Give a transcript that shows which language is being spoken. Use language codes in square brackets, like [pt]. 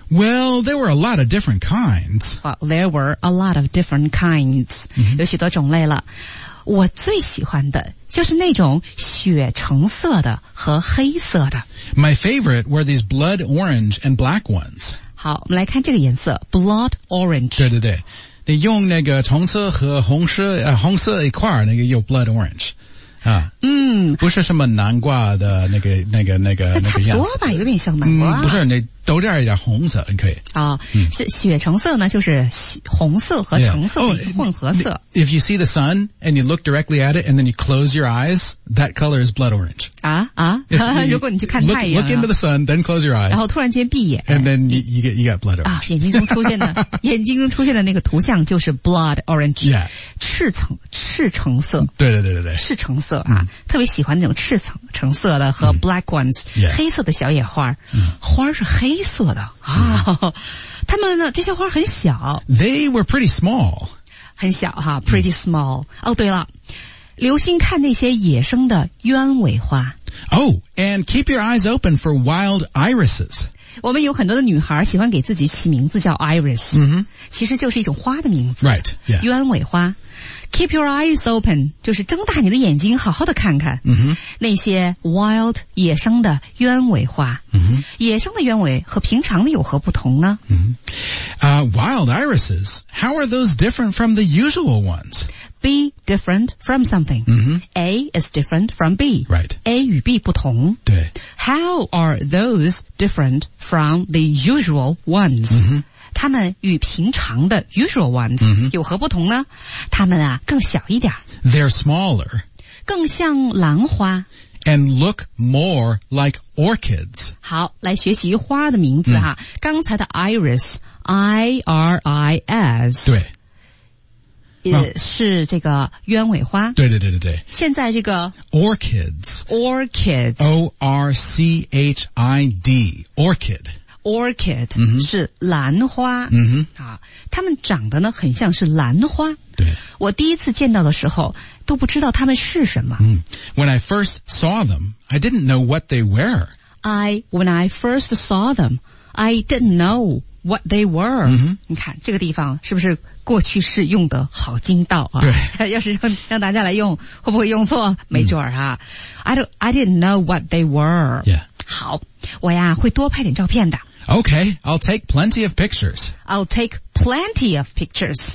[en] Well, there were a lot of different kinds. Well, there were a lot of different kinds.、 Mm-hmm. [zh] 有许多种类了。我最喜欢的就是那种血橙色的和黑色的。 [en] My favorite were these blood orange and black ones. [zh] 好，我们来看这个颜色 , [en] blood orange. [zh] 对对对。你用那个橙色和红色、红色一块那个有 [en] blood orange。 [zh] 啊、嗯不是什么南瓜的那个差不多吧有点像南瓜、嗯、不是那都这样一点红色可以、哦嗯、是血橙色呢就是红色和橙色的混合色、 [en] yeah. oh, if you see the sun and you look directly at it and then you close your eyes that color is blood orange [zh] 啊如果你去看太阳 [en] look into the sun then close your eyes [zh] 然后突然间闭眼 [en] and then you get blood orange、 [zh] 啊、眼睛中出现的那个图像就是 [en] blood orange、 yeah. [zh] 赤橙色对对对对对赤橙色啊、嗯、特别喜欢那种赤橙色的和 [en] black ones、嗯 yeah. [zh] 黑色的小野花、嗯、花是黑色的啊，他们呢？这些花很小。 [en] They were pretty small. [zh] 很小哈 ， [en] pretty small.、 [zh] Mm. 哦，对了，留心看那些野生的鸢尾花。 [en] Oh, and keep your eyes open for wild irises. [zh] 我们有很多的女孩喜欢给自己起名字叫 iris，、 mm-hmm. 其实就是一种花的名字。 [en] Right. Yeah. [zh] 鸢尾花。 [en] Keep your eyes open, [zh] 就是睁大你的眼睛好好的看看、 mm-hmm. 那些 wild, 野生的鸢尾花、 mm-hmm. 野生的鸢尾和平常的有何不同呢、 mm-hmm. [en] Wild irises, how are those different from the usual ones? B, different from something、 mm-hmm. A is different from B、 right. [zh] A 与 B 不同对 [en] How are those different from the usual ones?、 Mm-hmm. [zh] 它们与平常的 [en] usual ones、 mm-hmm. [zh] 有何不同呢？它们啊更小一点。 [en] They're smaller. [zh] 更像兰花。 [en] And look more like orchids. [zh] 好，来学习花的名字哈。Mm-hmm. 刚才的 iris, I-R-I-S。对。是这个鸢尾花。对对对对对。现在这个 [en] orchids。 Orchids。 O-R-C-H-I-D. Orchid. Orchid、 mm-hmm. [zh] 是兰花、 mm-hmm. 啊、它们长得呢很像是兰花对我第一次见到的时候都不知道它们是什么、 mm. [en] When I first saw them I didn't know what they were When I first saw them I didn't know what they were、 mm-hmm. [zh] 你看这个地方是不是过去式用得好精到啊？对要是 让大家来用会不会用错没准儿啊、mm. [en] I didn't know what they were、 yeah. [zh] 好，我呀会多拍点照片的。 [en] Okay, I'll take plenty of pictures. I'll take plenty of pictures.